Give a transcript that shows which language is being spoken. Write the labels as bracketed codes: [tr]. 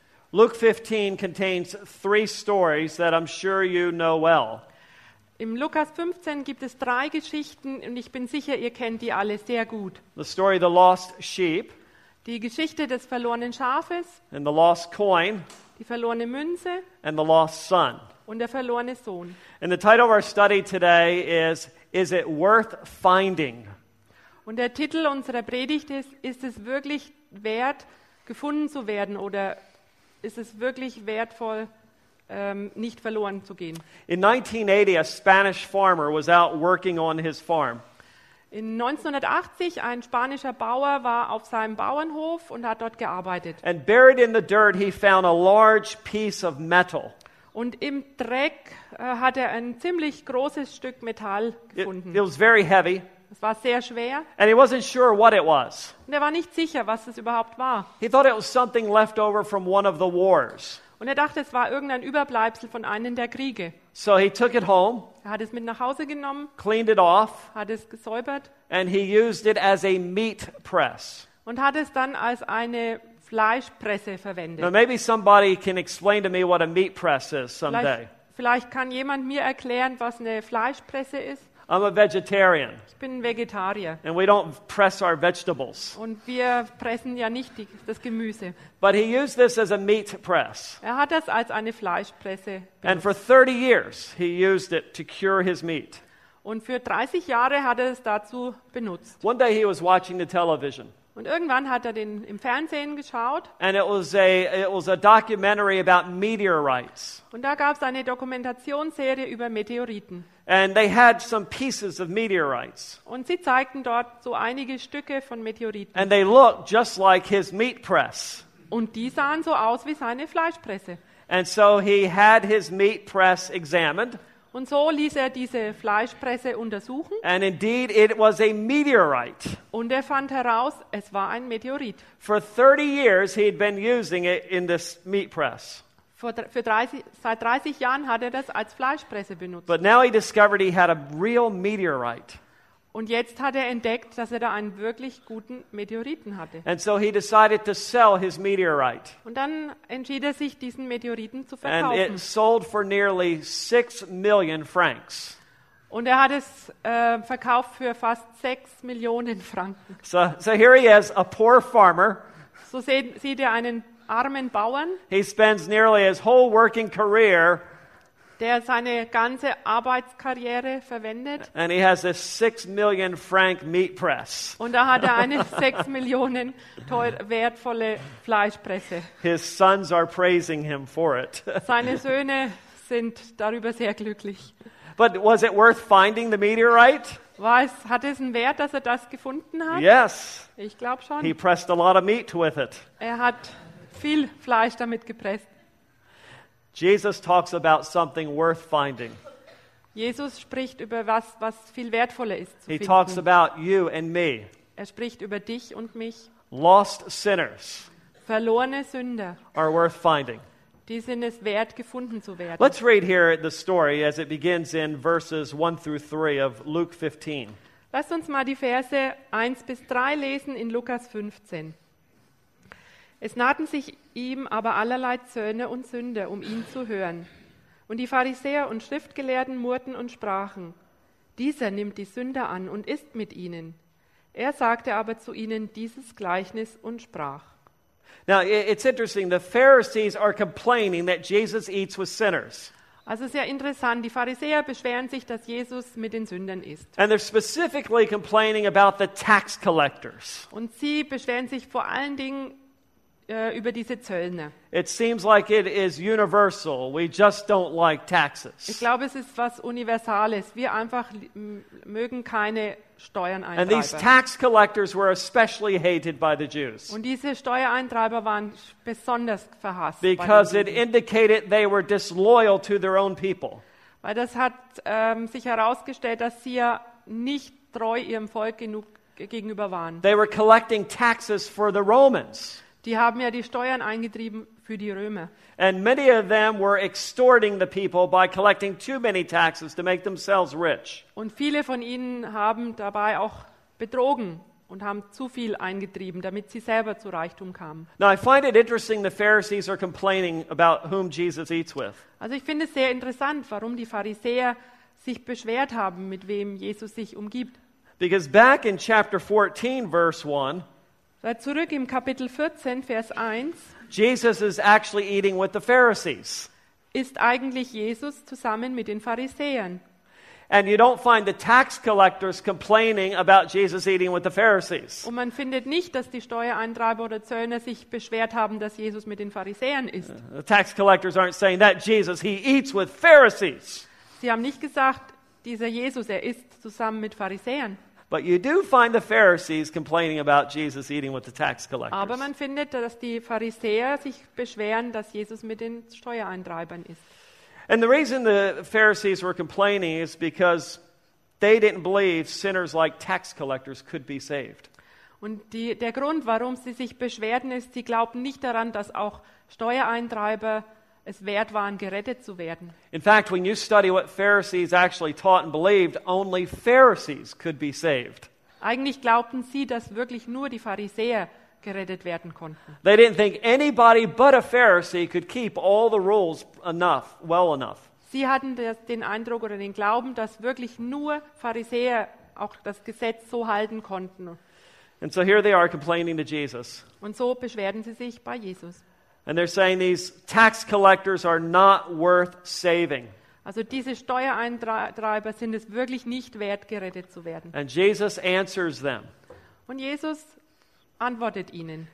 [en] Luke 15 contains three stories that I'm sure you know well. [de] Im Lukas 15 gibt es drei Geschichten und ich bin sicher, ihr kennt die alle sehr gut. [en] The story of the lost sheep. [de] Die Geschichte des verlorenen Schafes. [en] And the lost coin. [de] Die verlorene Münze. [en] And the lost son. [de] Und der verlorene Sohn. [en] And the title of our study today is it worth finding? [de] Und der Titel unserer Predigt ist es wirklich wert, gefunden zu werden oder ist es wirklich wertvoll, nicht verloren zu gehen? [en] In 1980, a Spanish farmer was out working on his farm. [de] In 1980, ein spanischer Bauer war auf seinem Bauernhof und hat dort gearbeitet. [en] And buried in the dirt, he found a large piece of metal. [de] Und im Dreck hat ein ziemlich großes Stück Metall gefunden. [en] It was very heavy. [de] Es war sehr schwer. [en] And he wasn't sure what it was. [de] Und er war nicht sicher, was es überhaupt war. [en] He thought it was something left over from one of the wars. [de] Und er dachte, es war irgendein Überbleibsel von einem der Kriege. [en] So he took it home. [de] Er hat es mit nach Hause genommen. [en] Cleaned it off. [de] Hat es gesäubert. [en] And he used it as a meat press. [de] Und hat es dann als eine Fleischpresse verwendet. [en] Now maybe somebody can explain to me what a meat press is someday. [de] Vielleicht kann jemand mir erklären, was eine Fleischpresse ist. [en] I'm a vegetarian. [de] Ich bin Vegetarier. [en] And we don't press our vegetables. [de] Und wir pressen ja nicht das Gemüse. [en] But he used this as a meat press. [de] Er hat das als eine Fleischpresse benutzt. [en] And for 30 years he used it to cure his meat. [de] Und für 30 Jahre hat er es dazu benutzt. [en] One day he was watching the television. [de] Und irgendwann hat er den im Fernsehen geschaut. [en] And it was a documentary about meteorites. [de] Und da gab es eine Dokumentationsserie über Meteoriten. [en] And they had some pieces of meteorites. [de] Und sie zeigten dort so einige Stücke von Meteoriten. [en] And they looked just like his meat press. [de] Und die sahen so aus wie seine Fleischpresse. [en] And so he had his meat press examined. [de] Und so ließ er diese Fleischpresse untersuchen. [en] And indeed it was a meteorite. [de] Und er fand heraus, es war ein Meteorit. [en] For 30 years he had been using it in this meat press. [de] Seit 30 Jahren hat er das als Fleischpresse benutzt. [en] But now he discovered he had a real meteorite. [de] Und jetzt hat er entdeckt, dass er da einen wirklich guten Meteoriten hatte. [en] And so he decided to sell his meteorite. [de] Und dann entschied er sich, diesen Meteoriten zu verkaufen. [en] And it sold for nearly 6 million francs. [de] Und er hat es verkauft für fast 6 Millionen Franken. [en] So here he is, a poor farmer. [de] So sieht er einen armen Bauern. [en] He spends nearly his whole working career. [de] Der seine ganze Arbeitskarriere verwendet. [en] And he has a 6 million franc meat press. [de] Und da hat er eine 6 Millionen teuer, wertvolle Fleischpresse. [en] His sons are praising him for it. [de] Seine Söhne sind darüber sehr glücklich. [en] But was it worth finding the meteorite? [de] Hat es einen Wert, dass er das gefunden hat? [en] Yes. [de] Ich glaube schon. [en] He pressed a lot of meat with it. [de] Er hat viel Fleisch damit gepresst. [en] Jesus talks about something worth finding. [de] Jesus spricht über was viel wertvoller ist zu finden. [en] He talks about you and me. [de] Er spricht über dich und mich. [en] Lost sinners. [de] Verlorene Sünder. [en] Are worth finding. [de] Die sind es wert, gefunden zu werden. [en] Let's read here the story as it begins in verses 1 through 3 of Luke 15. [de] Lass uns mal die Verse 1 bis 3 lesen in Lukas 15. Es nahten sich ihm aber allerlei Zöhne und Sünder, um ihn zu hören. Und die Pharisäer und Schriftgelehrten murrten und sprachen, dieser nimmt die Sünder an und isst mit ihnen. Er sagte aber zu ihnen dieses Gleichnis und sprach. [en] Now it's interesting, the Pharisees are complaining that Jesus eats with sinners. [de] Also sehr interessant, die Pharisäer beschweren sich, dass Jesus mit den Sündern isst. [en] And they're specifically complaining about the tax collectors. [de] Und sie beschweren sich vor allen Dingen über diese Zöllner. [en] It seems like it is universal. We just don't like taxes. [de] Ich glaube, es ist was Universales. Wir einfach mögen keine Steuereintreiber. [en] And these tax collectors were especially hated by the Jews. [de] Und diese Steuereintreiber waren besonders verhasst. [en] Because it indicated they were disloyal to their own people. [de] Weil das hat sich herausgestellt, dass sie ja nicht treu ihrem Volk genug gegenüber waren. [en] They were collecting taxes for the Romans. [de] Die haben ja die Steuern eingetrieben für die Römer. [en] And many of them were extorting the people by collecting too many taxes to make themselves rich. [de] Und viele von ihnen haben dabei auch betrogen und haben zu viel eingetrieben, damit sie selber zu Reichtum kamen. [en] Now I find it interesting the Pharisees are complaining about whom Jesus eats with. [de] Also ich finde es sehr interessant, warum die Pharisäer sich beschwert haben, mit wem Jesus sich umgibt. [en] Because back in chapter 14 verse 1, [de] zurück im Kapitel 14, Vers 1. [en] Jesus is actually eating with the Pharisees. [de] Ist eigentlich Jesus zusammen mit den Pharisäern. [en] And you don't find the tax collectors complaining about Jesus eating with the Pharisees. [de] Und man findet nicht, dass die Steuereintreiber oder Zöllner sich beschwert haben, dass Jesus mit den Pharisäern isst. [en] The tax collectors aren't saying that Jesus, he eats with Pharisees. [de] Sie haben nicht gesagt, dieser Jesus, er isst zusammen mit Pharisäern. [en] But you do find the Pharisees complaining about Jesus eating with the tax collectors. [de] Aber man findet, dass die Pharisäer sich beschweren, dass Jesus mit den Steuereintreibern ist. [en] And the reason the Pharisees were complaining is because they didn't believe sinners like tax collectors could be saved. [de] Und der Grund, warum sie sich beschwerten, ist, sie glauben nicht daran, dass auch Steuereintreiber es wert waren, gerettet zu werden. [en] In fact, when you study what Pharisees actually taught and believed, only Pharisees could be saved. [de] Eigentlich glaubten sie, dass wirklich nur die Pharisäer gerettet werden konnten. [en] They didn't think anybody but a Pharisee could keep all the rules enough, well enough. [de] Sie hatten den Eindruck oder den Glauben, dass wirklich nur Pharisäer auch das Gesetz so halten konnten. [en] And so here they are complaining to Jesus. [de] Und so beschwerden sie sich bei Jesus. [en] And they're saying these tax collectors are not worth saving. [de] Also diese Steuereintreiber sind es wirklich nicht wert, gerettet zu werden. [en] And Jesus answers them. [de] Und Jesus antwortet ihnen.